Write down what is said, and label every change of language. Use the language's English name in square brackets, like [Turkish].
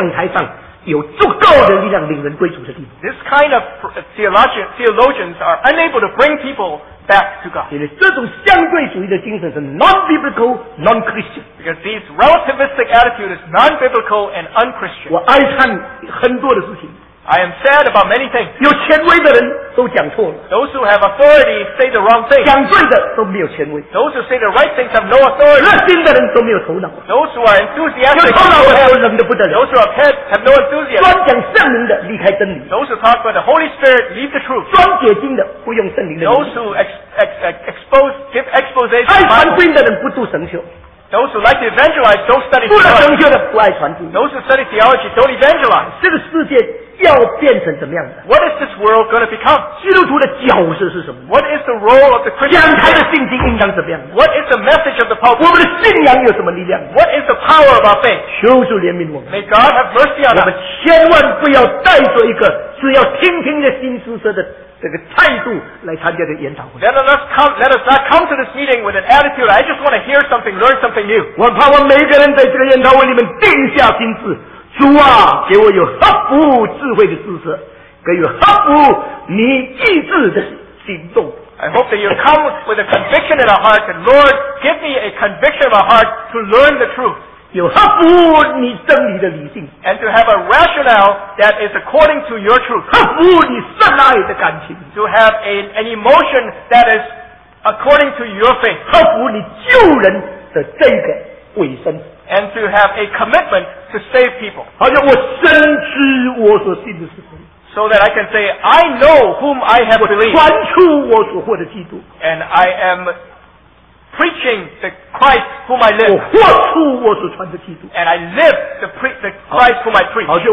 [Chinese] 我相信这样的神学教授没有办法把人带到一个在讲台上有足够的力量领人归主的地方。 [English] This kind of theologians are unable to bring people back to God. [Chinese] 因为这种相对主义的精神是 [English] non-biblical, non-Christian. Because this relativistic attitude is non-biblical and un-Christian. [Chinese] 我哀叹很多的事情。 [English] I am sad about many things. [Chinese] 有权威的人都讲错了。 [English] Those who have authority say the wrong thing. [Chinese] 讲对的都没有权威。 [English] Those who say the right things have no authority. [Chinese] 热心的人都没有头脑。 [English] Those who are enthusiastic. [Chinese] 有头脑的人都冷得不得了。 [English] Those who are pet have no enthusiasm. [Chinese] 专讲圣灵的离开真理。 [English] Those who talk about the Holy Spirit leave the truth. [Chinese] 专解经的不用圣灵的灵。 [English] Those who give exposition. [Chinese] 爱传经的人不读神学。 [English] Those who like to evangelize don't study theology. Those who study theology don't evangelize. [Chinese] 这个世界要变成怎么样的? [English] What is this world going to become? [Chinese] 基督徒的角色是什么? [English] What is the role of the Christian? [Chinese] 讲台的信心应当怎么样? [English] What is the message of the pulpit? [Chinese] 我们的信仰有什么力量? [English] What is the power of our faith? [Chinese] 求主怜悯我们。 [English] May God have mercy on us. [Chinese] 我们千万不要带着一个只要听听的新书说的 这个态度来参加这个研讨会。 [English] Let us not come to this meeting with an attitude. I just want to hear something, learn something new. [Chinese] 我怕我每个人在这个研讨会里面定下心智，主啊，给我有合乎智慧的知识，给予合乎你意志的行动。 [English] I hope that you come with a conviction in our heart, and Lord, give me a conviction of our heart to learn the truth. [Chinese] 有合乎你真理的理性， [English] and to have a rationale that is according to your truth. [Chinese] 合乎你深爱的感情， [English] to have an emotion that is according to your faith. [Chinese] 合乎你救人的这个委身， [English] and to have a commitment to save people. [Chinese] 好像我深知我所信的是谁， [English] so that I can say I know whom I have believed. [Chinese] 我传出我所获的基督， [English] and I am preaching the Christ whom I live. [Chinese] 我活出我所传的基督。 [English] And I live the Christ whom I preach.